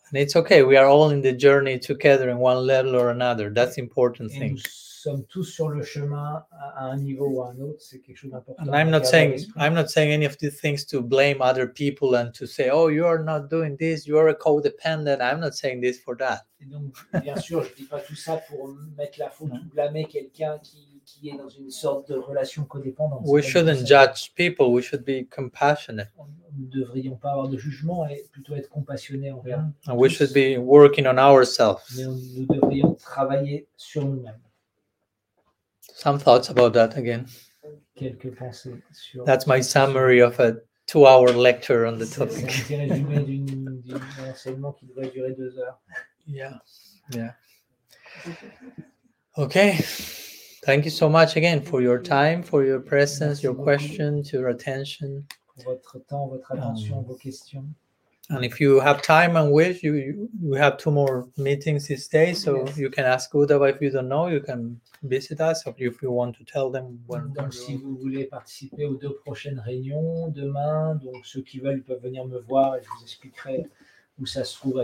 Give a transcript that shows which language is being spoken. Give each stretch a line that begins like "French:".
English: And it's okay. We are all in the journey together in one level or another. That's the important thing.
French: Et nous sommes tous sur le chemin à un niveau ou à un autre. C'est quelque chose d'important.
English: And I'm not saying any of these things to blame other people and to say, oh, you are not doing this, you are a codependent. I'm not saying this for that.
French: Et donc, bien sûr, je ne dis pas tout ça pour mettre la faute ou blâmer quelqu'un qui est dans une sorte de relation codépendante.
English: We shouldn't judge people. We should be compassionate.
French: Nous ne devrions pas avoir de jugement et plutôt être compassionnés envers nous.
English: And we should be working on ourselves.
French: Mais nous devrions travailler sur nous-mêmes.
English: Some thoughts about that again.
French: Quelques pensées sur.
English: That's my summary of a two-hour lecture on the topic.
French: C'est un résumé d'un enseignement qui devrait durer deux heures. Yeah. Okay.
English: Thank you so much again for your time, for your presence,
French: merci
English: your questions, your attention.
French: Votre temps, votre attention, vos questions.
English: And if you have time and wish, we have two more meetings this day, so yes. You can ask Uddhava. If you don't know, you can visit us, or if you want to tell them. When
French: donc, si vous voulez participer aux deux prochaines réunions demain, donc ceux qui veulent peuvent venir me voir et je vous expliquerai où ça se trouve.